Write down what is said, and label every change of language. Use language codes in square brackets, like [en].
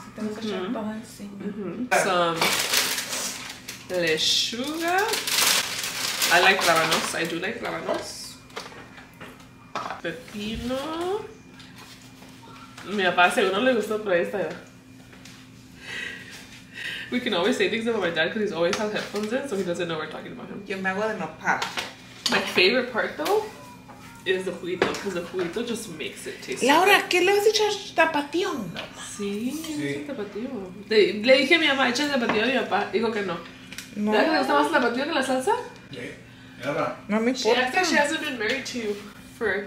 [es] Si te lo echó todo encima. [en] Some lechuga. I like rábanos. I do like rábanos. Pepino. [es] Mi papá seguro le gustó, pero ahí está. [en] We can always say things about my dad because he's always has headphones in, so he doesn't know we're talking about him. [es] Yo me hago de nopal. [en] My favorite part though is the juguito, because the juguito just makes it taste. [es] Laura, ¿qué le vas a echar tapatío? Sí, sí. Es tapatío. Le dije a mi mamá, echa tapatío a mi papá. Dijo que no. ¿Te da que le gusta más el tapatío que la salsa? Sí. [en] Yeah. [es] No me importa. [en] She actually hasn't been married to you for.